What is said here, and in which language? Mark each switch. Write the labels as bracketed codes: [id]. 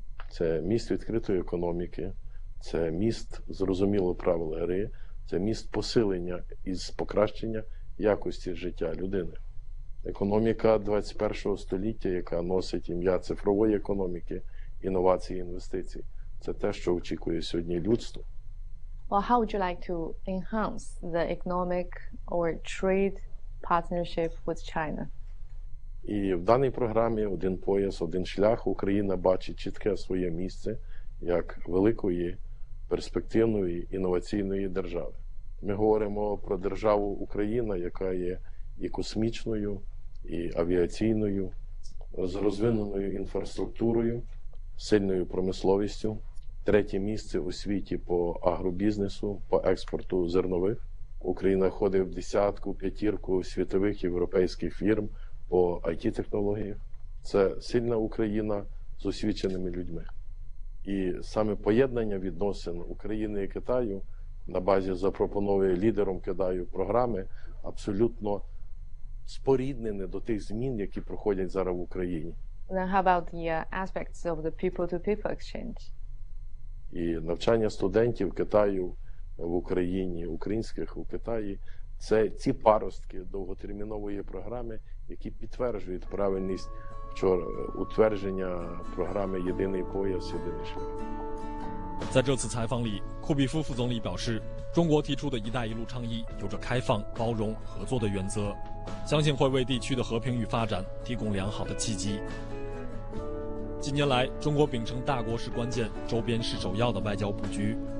[uk] Це міст відкритої економіки. Це міст зрозуміло правил гри, це міст посилення і покращення якості життя людини. Економіка 21-го століття, яка носить ім'я цифрової економіки, інновації, інвестицій, це те, що очікує сьогодні людство. [en] Well, how would you like to enhance the economic or trade partnership with China? [uk] І в даній програмі «Один пояс, один шлях» Україна бачить чітке своє місце як великої перспективної інноваційної держави. Ми говоримо про державу Україна, яка є і космічною, і авіаційною, з розвиненою інфраструктурою, сильною промисловістю, третє місце у світі по агробізнесу, по експорту зернових. Україна входить в десятку, п'ятірку світових європейських фірм по IT-технологіях. Це сильна Україна з освіченими людьми. І саме поєднання відносин України і Китаю на базі запропонованої лідером Китаю програми абсолютно споріднене до тих змін, які проходять зараз в Україні. [en] Then how about the aspects of the people-to-people exchange? [uk] І навчання студентів Китаю в Україні, українських у Китаї, це ці паростки довготермінової програми, які підтверджують правильність вчора утвердження програми «Єдиний пояс, єдиний шлях». [zh] 在这次采访里， 库比夫副总理表示， 中国提出的一带一路倡议有着开放、包容、合作的原则， 相信会为地区的和平与发展提供良好的契机。近年来，中国秉承大国是关键、周边是首要的外交布局。